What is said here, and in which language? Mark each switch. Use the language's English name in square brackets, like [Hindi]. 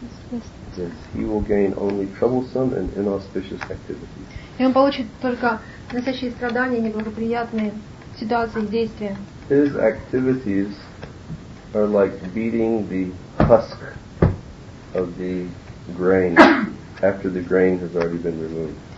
[English] Yes, he will gain only troublesome and inauspicious activities. [Russian] И он получит только носящие страдания, неблагоприятные ситуации и действия. [English] His activities are like beating the husk of the grain after the grain has already been removed.